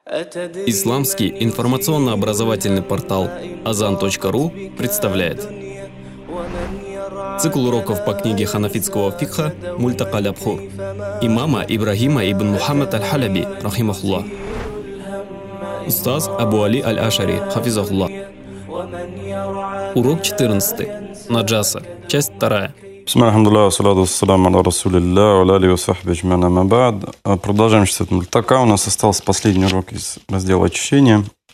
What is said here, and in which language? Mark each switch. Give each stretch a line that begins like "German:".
Russian: Исламский информационно-образовательный портал azan.ru представляет цикл уроков по книге ханафитского фикха «Мультака Лябхур» имама Ибрагима ибн Мухаммад аль-Халаби, рахимахуллах, устаз Абу Али аль-Ашари, хафизахуллах. Урок 14. Наджаса. Часть 2.
Arabic: بسم الله الحمد لله والصلاة والسلام على رسول الله وعلى آله وصحبه أجمعين أما بعد
Russian: продолжаем читать мультака. У нас остался последний урок из раздела очищения.